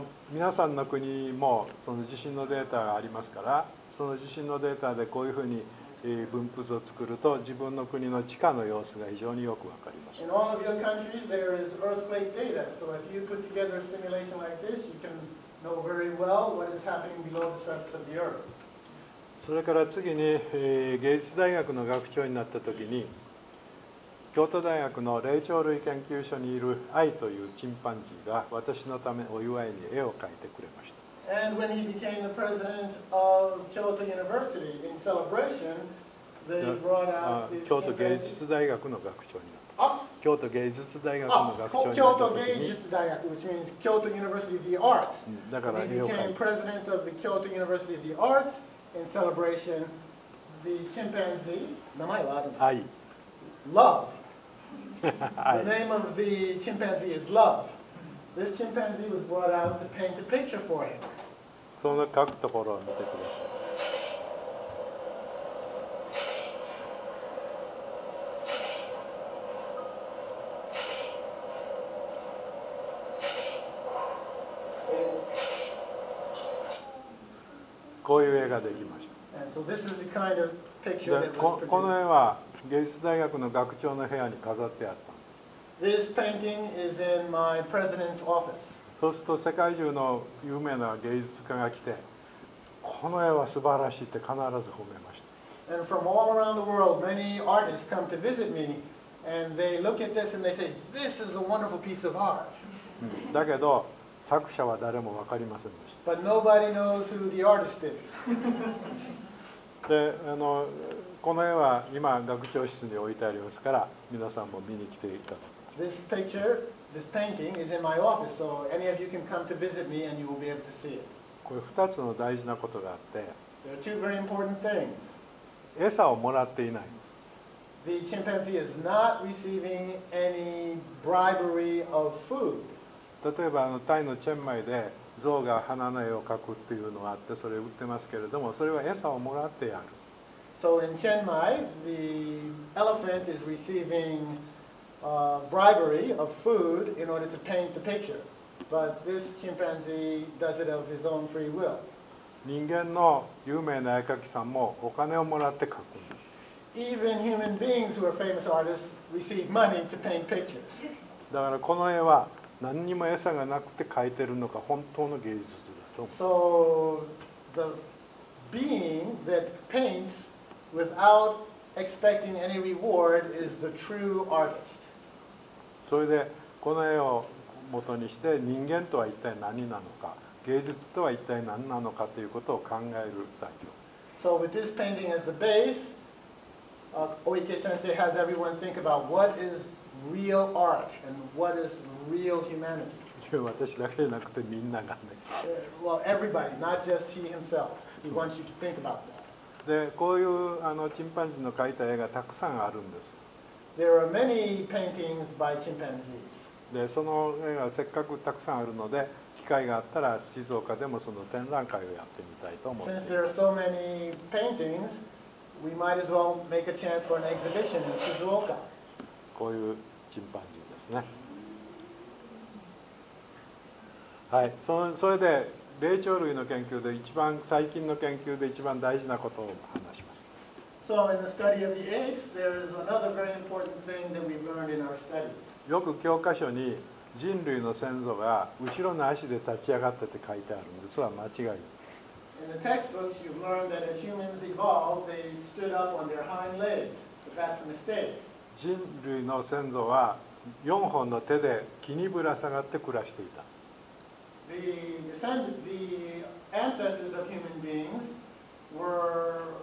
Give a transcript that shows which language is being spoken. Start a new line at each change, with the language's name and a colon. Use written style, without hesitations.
Japanese: 皆さんの国もその地震のデータがありますから、その地震のデータでこういうふうに分布図を作ると、自分の国の地下の様子が非常によくわかります。
English: In all of your countries, there is earthquake data. So if you put together a simulation like this, you can know very well what is happening below the surface of the earth.
Japanese: それから次に、芸術大学の学長になったときに、京都大学の霊長類研究所にいる愛というチンパンジーが私のためお祝いに絵を描いてくれました。
English: And when he became the president of Kyoto University in celebration, they brought out this
Japanese: 京都芸術大学の学長になった。京都芸術大学の学長になった時に。
English: 京都芸術大学、which means Kyoto University of the Arts.
Japanese: だから絵を描いて。
English: He became president of the Kyoto University of the Arts in celebration. The chimpanzee,
Japanese: 名前はあるんですか？愛。
English: Love. The name of the chimpanzee is Love. This chimpanzee was brought out to paint a picture for him.
Japanese: その描くところを見てください。こういう絵ができました。
English: And so this is the kind of picture that was produced.
Japanese: この絵は芸術大学の学長の部屋に飾ってあった。
English: This painting is in my president's office.
Japanese: そうすると世界中の有名な芸術家が来て、この絵は素晴らしいって必ず褒めました。
English: And from all around the world, many artists come to visit me, and they look at this and they say, "This is a wonderful piece of art."
Japanese: だけど作者は誰も分かりませんでした。
English: But nobody knows who the artist is.
Japanese: で、この絵は今学長室に置いてありますから、皆さんも見に来ていただく。
English: This picture, this painting is in my office, so any of you can come to visit me and you will be able to see it.
Japanese: これ2つの大事なことがあって。
English: There are two very important things.
Japanese: 餌をもらっていないんです。
English: The chimpanzee is not receiving any bribery of food.
Japanese: 例えばタイのチェンマイで、象が花の絵を描くっていうのがあって、それ売ってますけれども、それは餌をもらってやる。
English: So in Chiang Mai, the elephant is receiving bribery of food in order to paint the picture. But this chimpanzee does it of his own free will.
Japanese: 人間の有名な絵描きさんもお金をもらって描くんです。
English: Even human beings who are famous artists receive money to paint pictures.
Japanese: だからこの絵は何にも餌がなくて描いてるのか本当の芸術だと思う。
English: So the being that paints without expecting any reward is the true artist.
Japanese: それでこの絵を元にして人間とは一体何なのか、芸術とは一体何なのかということを考える作業。
English: So with this painting as the base, Oike sensei has everyone think about what is real art and what is real humanity.
Japanese: 私だけじゃなくてみんながね。
English: Well, everybody, not just he himself. He wants you to think about that.
Japanese: でこういうチンパンジーの描いた絵がたくさんあるんです。
English: There are many paintings by chimpanzees.
Japanese: でその絵がせっかくたくさんあるので、機会があったら静岡でもその展覧会をやってみたいと思って。
English: Since there are so many paintings, we might as well make a chance for an exhibition in Shizuoka.
Japanese: こういうチンパンジーですね。はい、それで霊長類の研究で一番最近の研究で一番大事なことを話します。
English: So in the study of the apes, there is another very important thing that we learned in our study.
Japanese: よく教科書に人類の先祖が後ろの足で立ち上がってて書いてあるんです。それは間違い。
English: In the textbooks, you've learned that as humans evolved, they stood up on their hind legs. But that's a mistake.
Japanese: 人類の先祖は4本の手で木にぶら下がって暮らしていた。
English: The ancestors of human beings were